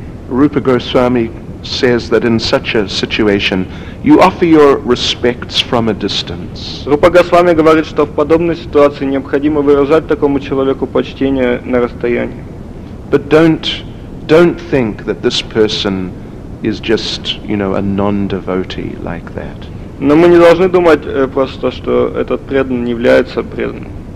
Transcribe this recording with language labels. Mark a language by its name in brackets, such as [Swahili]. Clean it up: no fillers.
[English] Rupa Goswami says that in such a situation you offer your respects from a distance. [Russian] Rupa Goswami говорит, что в подобной ситуации необходимо выражать такому человеку почтение на расстоянии. [English] But don't think that this person is just, you know, a non-devotee like that. [Russian] Но мы не должны думать просто, что этот преданный не является преданным.